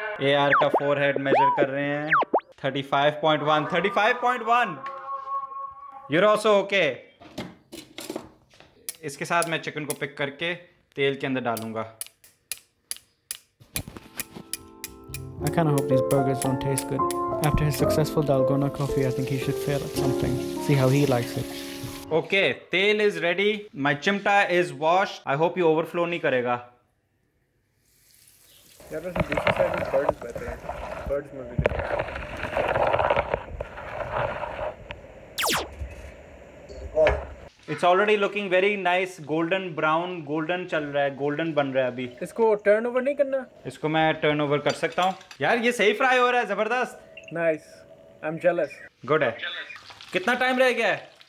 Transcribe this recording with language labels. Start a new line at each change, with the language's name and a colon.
Hindi: AR का forehead measure कर रहे हैं.
English: 35.1. You're also okay.
Hindi: इसके साथ मैं चिकन को पिक करके तेल के अंदर डालूंगा.
English: I kind of hope these burgers don't taste good. After his successful Dalgona coffee, I think he should fail at something. See how he likes it. Okay, tel is ready. My chimta is washed. I hope you overflow
Hindi: नहीं करेगा. यार बस दूसरी side में birds बैठे हैं. Birds में भी
English: It's already looking very nice, golden brown, golden
Hindi: चल रहा है,
English: golden
Hindi: बन रहा है अभी. इसको turnover नहीं करना? इसको मैं turnover कर सकता हूँ. यार ये सही fry हो रहा है, जबरदस्त.
English: Nice, I'm jealous.
Hindi: Good है. कितना time रह गया है?